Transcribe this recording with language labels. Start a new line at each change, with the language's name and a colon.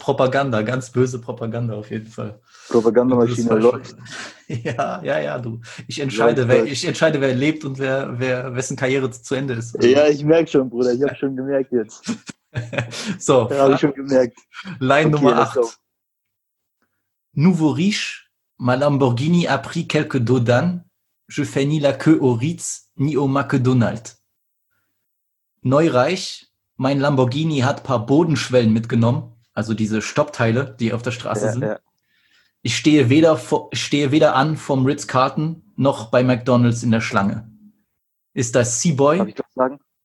German: Propaganda, ganz böse Propaganda auf jeden Fall. Propagandamaschine läuft. Ja, du. Ich entscheide, wer lebt und wessen Karriere zu Ende ist. Ja, ich merke schon, Bruder. Ich habe schon gemerkt jetzt. So. Ja, habe ich schon gemerkt. Line okay, Nummer 8.
French: Nouveau riche, ma Lamborghini a pris quelques dodans. Je fais ni la queue au Ritz, ni au McDonald's.
German: Neureich, mein Lamborghini hat paar Bodenschwellen mitgenommen, also diese Stoppteile, die auf der Straße sind. Ja. Ich stehe weder an vom Ritz-Carlton noch bei McDonald's in der Schlange. Ist das C-Boy? Darf ich das sagen?